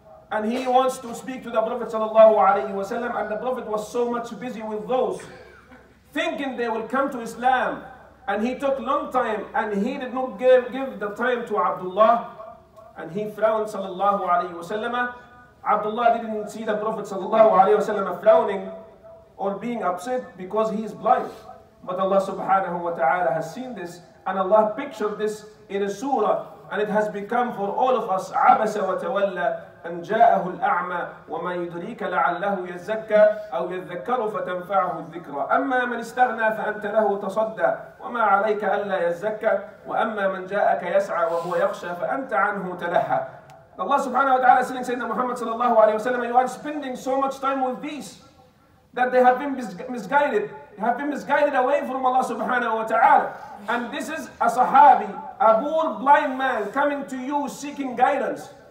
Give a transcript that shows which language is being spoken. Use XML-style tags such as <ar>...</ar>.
<en>And he wants to speak to the Prophet sallallahu alayhi wa sallam, and the Prophet was so much busy with those, thinking they will come to Islam. And he took long time, and he did not give the time to Abdullah. And he frowned sallallahu alayhi wa sallam. Abdullah didn't see the Prophet sallallahu alayhi wa sallam frowning or being upset because he is blind. But Allah subhanahu wa ta'ala has seen this, and Allah pictured this in a surah, and it has become for all of us,</en> <ar>عَبَسَ وَتَوَلَّى أَنْ جَاءَهُ الْأَعْمَى وَمَا يُدْرِيكَ لَعَلَّهُ يَزَّكَّى أَوْ يَذَّكَّرُ فَتَنْفَعَهُ الذِّكْرَى أَمَّا مَنْ اسْتَغْنَى فَأَنْتَ لَهُ تَصَدَّى وَمَا عَلَيْكَ أَلَّا يَزَّكَّى وَأَمَّا مَنْ جَاءَكَ يَسْعَى وَهُوَ يَخْشَى فَأَنْتَ عَنْهُ تَلَهَّى.</ar> <en>Allah subhanahu wa ta'ala is telling Sayyidina Muhammad sallallahu alayhi wa sallam, you are spending so much time with these that they have been misguided. They have been misguided away from Allah subhanahu wa ta'ala. And this is a sahabi, a poor blind man coming to you seeking guidance.</en>